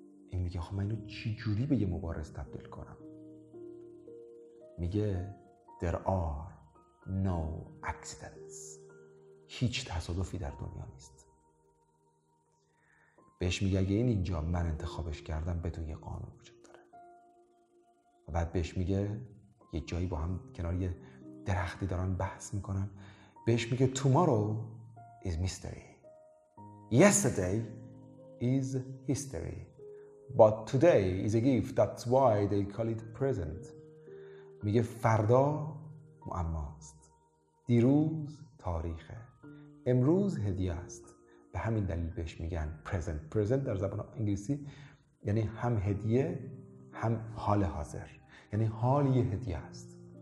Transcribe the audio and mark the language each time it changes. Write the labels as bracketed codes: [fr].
[fa] این میگه خب من اینو چی جوری به یه مبارز تبدیل کنم؟ میگه [en] there are no accidents، [fa] هیچ تصادفی در دنیا نیست. بهش میگه اگه این اینجا من انتخابش کردم بدون یه قانون وجود داره. و بعد بهش میگه، یه جایی با هم کنار یه درختی دارن بحث میکنن، بهش میگه [en] tomorrow is mystery، yesterday is history، but today is a gift، that's why they call it present. [fa] میگه فردا معماست، دیروز تاریخه، امروز هدیه است، به همین دلیل بهش میگن present. present در زبان انگلیسی یعنی هم هدیه هم حال حاضر، یعنی حال یه هدیه است.